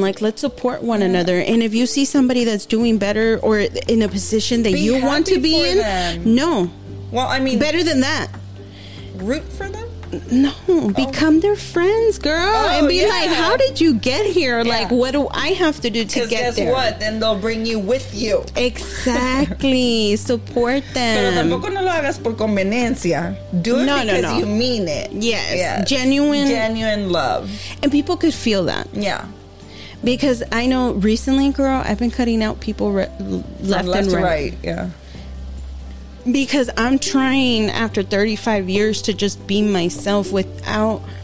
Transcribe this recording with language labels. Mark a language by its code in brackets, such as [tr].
[en] Like, let's support one another. And if you see somebody that's doing better or in a position that you want to be in, no. Well, I mean, better than that. Root for them? No, become their friends, girl. Oh, and be like, how did you get here? Yeah. Like, what do I have to do to get there? Guess what? Then they'll bring you with you. Exactly. Support them. [es] Pero tampoco no lo hagas por conveniencia. [en] Do it because you mean it. Yes. Genuine love. And people could feel that. Yeah. Because I know recently, girl, I've been cutting out people left and right. Yeah. Because I'm trying after 35 years to just be myself without